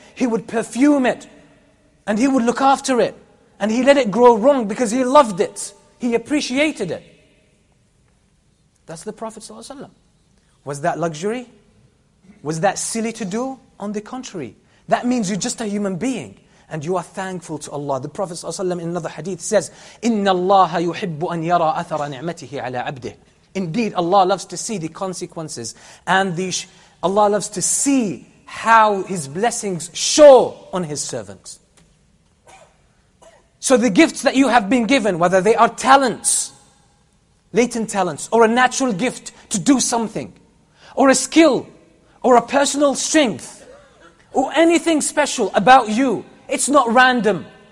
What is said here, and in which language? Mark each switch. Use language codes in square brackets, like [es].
[en] He would perfume it. And he would look after it. And he let it grow long because he loved it. He appreciated it. That's the Prophet ﷺ. Was that luxury? Was that silly to do? On the contrary. That means you're just a human being. And you are thankful to Allah. The Prophet ﷺ in another hadith says, [ar] إِنَّ اللَّهَ يُحِبُّ أَنْ يَرَى أَثَرَ نِعْمَتِهِ عَلَى عَبْدِهِ. [en] Indeed, Allah loves to see the consequences. And Allah loves to see how His blessings show on His servants. So the gifts that you have been given, whether they are talents, latent talents, or a natural gift to do something, or a skill, or a personal strength, or anything special about you, it's not random.